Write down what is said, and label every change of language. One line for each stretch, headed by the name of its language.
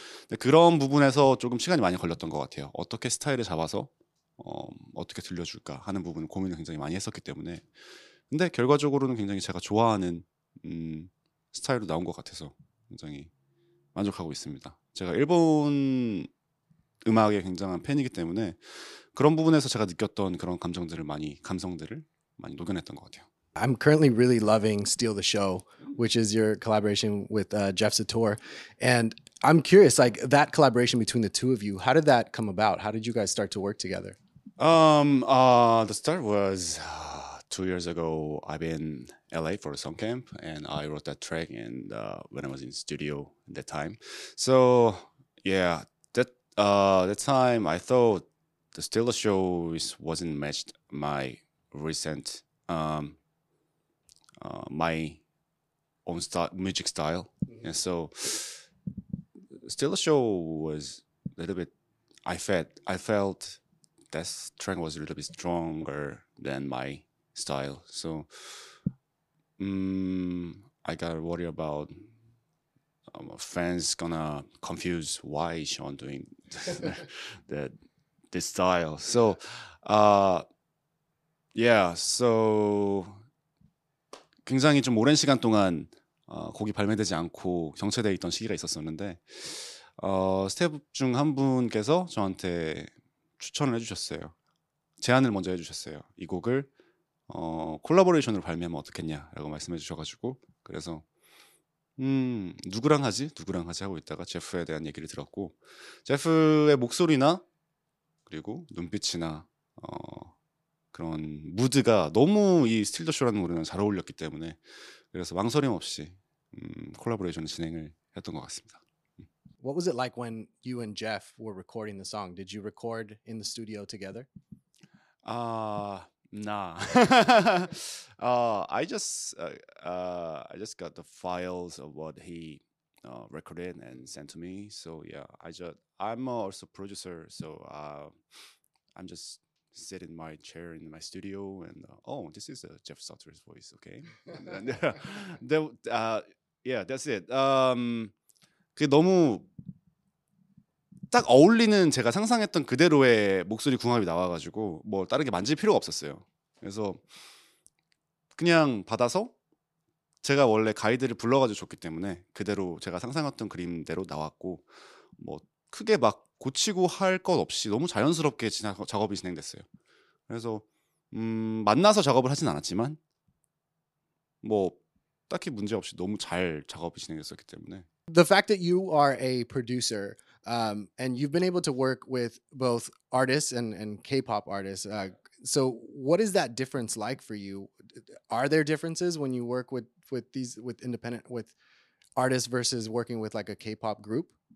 Korean: 근데 그런 부분에서 조금 시간이 많이 걸렸던 것 같아요. 어떻게 스타일을 잡아서 어떻게 들려줄까 하는 부분을 고민을 굉장히 많이 했었기 때문에 근데 결과적으로는 굉장히 제가 좋아하는 스타일로 나온 것 같아서 굉장히 만족하고 있습니다. 제가 일본 음악에 굉장한 팬이기 때문에 그런 부분에서 제가 느꼈던 그런 감성들을 많이 녹여냈던 것 같아요.
English: I'm currently really loving Steal the Show, which is your collaboration with Jeff Sator. And I'm curious, like, that collaboration between the two of you, how did that come about? How did you guys start to work together? The start was 2 years ago. I've been in LA for a song camp, and I wrote that track and when I was in studio at that time. So, yeah, that time I thought the Steal the Show wasn't matched my recent my own music style. Mm-hmm. And so Steal the Show was a little bit, I felt that track was a little bit stronger than my style. So I got worried about fans gonna confuse why SHAUN doing this style. So yeah, so
Korean: 굉장히 좀 오랜 시간 동안 곡이 발매되지 않고 정체돼 있던 시기가 있었었는데 스태프 중 한 분께서 저한테 추천을 해주셨어요. 제안을 먼저 해주셨어요. 이 곡을 콜라보레이션으로 발매하면 어떻겠냐라고 말씀해 주셔가지고 그래서 누구랑 하지 하고 있다가 제프에 대한 얘기를 들었고 제프의 목소리나 그리고 눈빛이나 그런 무드가 너무 이 스틸 더 쇼라는 노래는 잘 어울렸기 때문에 그래서 망설임 없이 콜라보레이션 진행을 했던 것 같습니다.
English: What was it like when you and Jeff were recording the song? Did you record in the studio together? Nah. I just got the files of what he recorded and sent to me. So yeah, I'm also a producer. So I'm just sit in my chair in my studio and this is Jeff Sauter's voice. Okay. That's it.
Korean: 그게 너무 딱 어울리는 제가 상상했던 그대로의 목소리 궁합이 나와가지고 뭐 다른 게 만질 필요가 없었어요. 그래서 그냥 받아서 제가 원래 가이드를 불러가지고 줬기 때문에 그대로 제가 상상했던 그림대로 나왔고 뭐 크게 막 고치고 할 것 없이 너무 자연스럽게 작업이 진행됐어요. 그래서 만나서 작업을 하진 않았지만 뭐 딱히 문제 없이 너무 잘 작업이 진행됐었기 때문에
English: The fact that you are a producer and you've been able to work with both artists and K-pop artists, so what is that difference like for you? Are there differences when you work with artists versus working with like a K-pop group?